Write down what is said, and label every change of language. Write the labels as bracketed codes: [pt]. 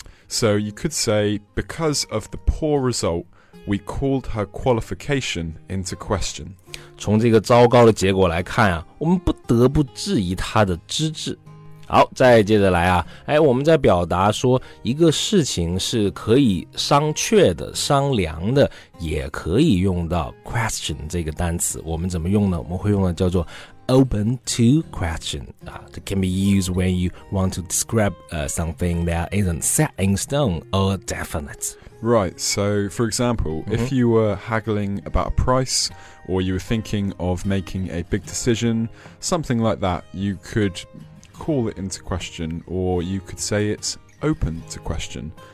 [en] So you could say because of the poor result. We called her qualification into question. [zh] 从这个糟糕的结果来看啊，我们不得不质疑她的资质。好，再接着来啊，哎，我们在表达说一个事情是可以商榷的、商量的，也可以用到 question 这个单词。我们怎么用呢？我们会用的叫做 [en] open to question. That can be used when you want to describe something that isn't set in stone or definite. Right, so for example, mm-hmm. if you were haggling about a price, or you were thinking of making a big decision, something like that, you could call it into question, or you could say it's open to question.